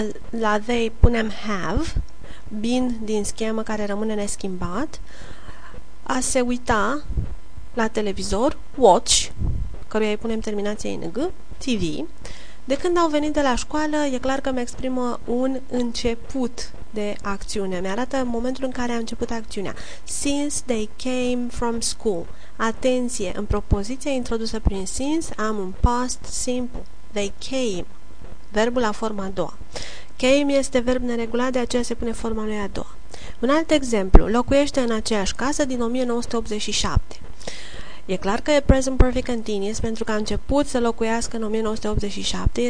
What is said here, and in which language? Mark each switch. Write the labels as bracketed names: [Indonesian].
[Romanian] La they punem have, been din schemă care rămâne neschimbat. A se uita la televizor, watch, căruia îi punem terminația ing, TV. De când au venit de la școală, e clar că mi-exprimă un început de acțiune. Mi-arată momentul în care a început acțiunea. [English] Since they came from school. [Romanian] Atenție, în propoziția introdusă prin since, am un past simple. [English] They came. [Romanian] Verbul la forma a doua. Came este verb neregulat, de aceea se pune forma lui a doua. Un alt exemplu. Locuiește în aceeași casă din 1987. E clar că e present perfect continuous, pentru că a început să locuiască în 1987.